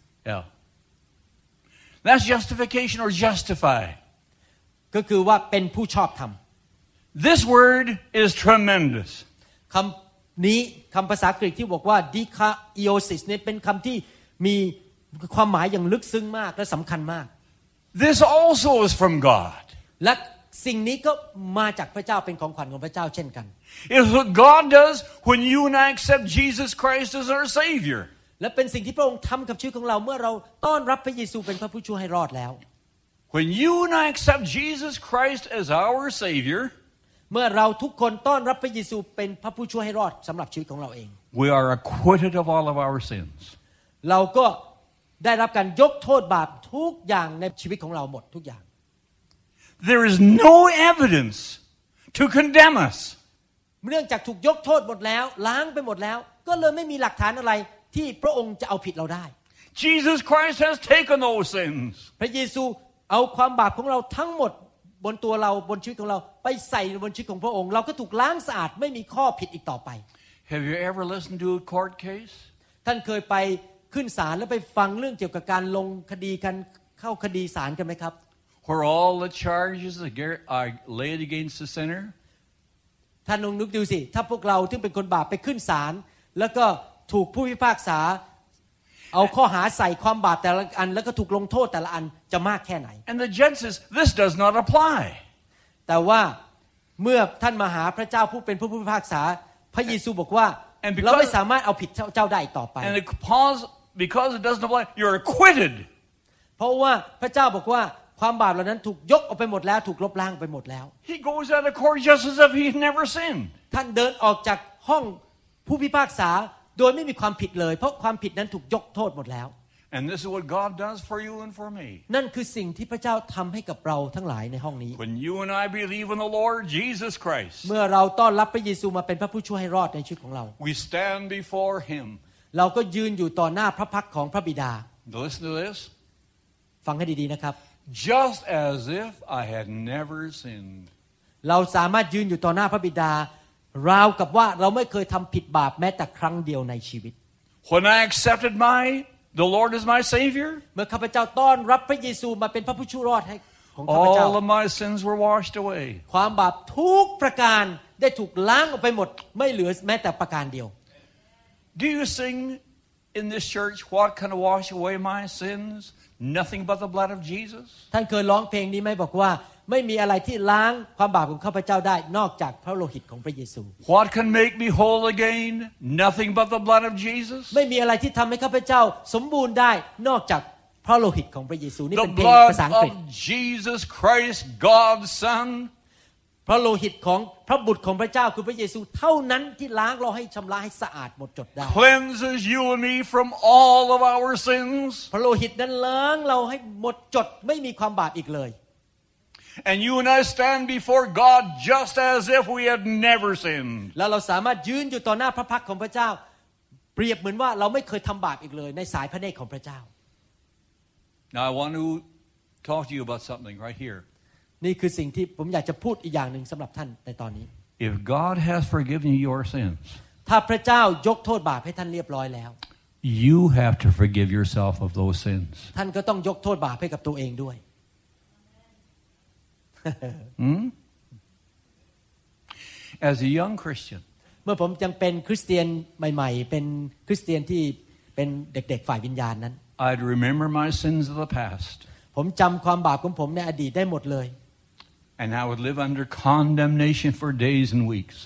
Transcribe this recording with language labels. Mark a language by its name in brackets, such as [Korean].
[English] Yeah That's justification or justify [Thai] ก็คือว่าเป็นผู้ชอบธรรม [English] This word is tremendous [Thai] คำนี้คำภาษากรีกที่บอกว่า dikaiosis นี่เป็นคำที่มีความหมายอย่างลึกซึ้งมากและสำคัญมาก [English] This also is from God [Thai] และสิ่งนี้ก็มาจากพระเจ้าเป็นของขวัญของพระเจ้าเช่นกัน [English] It's what God does when you and I accept Jesus Christ as our Savior [Thai] และเป็นสิ่งที่พระองค์ทำกับชีวิตของเราเมื่อเราต้อนรับพระเยซูเป็นพระผู้ช่วยให้รอดแล้ว [English] When you and I accept Jesus Christ as our Savior, [Thai] เมื่อเราทุกคนต้อนรับพระเยซูเป็นพระผู้ช่วยให้รอดสำหรับชีวิตของเราเอง [English] We are acquitted of all of our sins. [Thai] เราก็ได้รับการยกโทษบาปทุกอย่างในชีวิตของเราหมดทุกอย่าง [English] There is no evidence to condemn us. [Thai] เนื่องจากถูกยกโทษหมดแล้วล้างไปหมดแล้วก็เลยไม่มีหลักฐานอะไรที่พระองค์จะเอาผิดเราได้ [English] Jesus Christ has taken those sins. [Thai] พระเยซูเอาความบาปของเราทั้งหมดบนตัวเราบนชีวิตของเราไปใส่บนชีวิตของพระองค์เราก็ถูกล้างสะอาดไม่มีข้อผิดอีกต่อไป [English] Have you ever listened to a court case? [Thai] ท่านเคยไปขึ้นศาลแล้วไปฟังเรื่องเกี่ยวกับการลงคดีกันเข้าคดีศาลกันไหมครับ [English] Where all the charges are laid against the sinner? [Thai] ท่านลองนึกดูสิถ้าพวกเราที่เป็นคนบาปไปขึ้นศาลแล้วก็ถูกผู้พิพากษาเอาข้อหาใส่ความบาปแต่ละอันแล้วก็ถูกลงโทษแต่ละอันจะมากแค่ไหน [English] And the judge says this does not apply [Thai] แต่ว่าเมื่อท่านมาหาพระเจ้าผู้เป็นผู้พิพากษาพระเยซูบอกว่าเราไม่สามารถเอาผิดเจ้าได้ต่อไป [English] And because it doesn't apply you're acquitted [Thai] เพราะว่าพระเจ้าบอกว่าความบาปเหล่านั้นถูกยกออกไปหมดแล้วถูกลบล้างไปหมดแล้ว [English] He goes out of court just as if he never sinned [Thai] ท่านเดินออกจากห้องผู้พิพากษาโดยไม่มีความผิดเลยเพราะความผิดนั้นถูกยกโทษหมดแล้ว [English] And this is what God does for you and for me [Thai] นั่นคือสิ่งที่พระเจ้าทำให้กับเราทั้งหลายในห้องนี้ [English] When you and I believe in the Lord Jesus Christ [Thai] เมื่อเราต้อนรับพระเยซูมาเป็นพระผู้ช่วยให้รอดในชีวิตของเรา [English] We stand before him [Thai] เราก็ยืนอยู่ต่อหน้าพระพักของพระบิดา [English] Listen to this [Thai] ฟังให้ดีๆนะครับ [English] Just as if I had never sinned [Thai] เราสามารถยืนอยู่ต่อหน้าพระบิดาราวกับว่าเราไม่เคยทำผิดบาปแม้แต่ครั้งเดียวในชีวิต [English] When I accepted my The Lord is my Savior. [Thai] เมื่อข้าพเจ้าต้อนรับพระเยซูมาเป็นพระผู้ช่วยรอดให้ของข้าพเจ้า [English] All of my sins were washed away. [Thai] ความบาปทุกประการได้ถูกล้างออกไปหมดไม่เหลือแม้แต่ประการเดียว [English] Do you sing in this church what can wash away my sins? Nothing but the blood of Jesus. [Thai] ท่านเคยร้องเพลงนี้ไหมบอกว่าไม่มีอะไรที่ล้างความบาปของข้าพเจ้าได้นอกจากพระโลหิตของพระเยซู [English] What can make me whole again? Nothing but the blood of Jesus. [Thai] ไม่มีอะไรที่ทำให้ข้าพเจ้าสมบูรณ์ได้นอกจากพระโลหิตของพระเยซูนี่เป็นเพลงภาษาอังกฤษ [English] The blood of Jesus Christ, God's Son. [Thai] พระโลหิตของพระบุตรของพระเจ้าคือพระเยซูเท่านั้นที่ล้างเราให้ชำระให้สะอาดหมดจดได้ [English] Cleanses you and me from all of our sins. [Thai] พระโลหิตนั้นล้างเราให้หมดจดไม่มีความบาปอีกเลย [English] And you and I stand before God just as if we had never sinned. [Thai] แล้วเราสามารถยืนอยู่ต่อหน้าพระพักของพระเจ้าเปรียบเหมือนว่าเราไม่เคยทำบาปอีกเลยในสายพระเนตรของพระเจ้า [English] Now I want to talk to you about something right here. [Thai] นี่คือสิ่งที่ผมอยากจะพูดอีกอย่างนึงสำหรับท่านในตอนนี้ [English] If God has forgiven you your sins, [Thai] ถ้าพระเจ้ายกโทษบาปให้ท่านเรียบร้อยแล้ว [English] you have to forgive yourself of those sins. [Thai] ท่านก็ต้องยกโทษบาปให้กับตัวเองด้วย [English] As a young Christian, [Thai] เมื่อผมยังเป็นคริสเตียนใหม่ๆเป็นคริสเตียนที่เป็นเด็กๆฝ่ายวิญญาณนั้น [English] I'd remember my sins of the past. [Thai] ผมจำความบาปของผมในอดีตได้หมดเลย [English] And I would live under condemnation for days and weeks.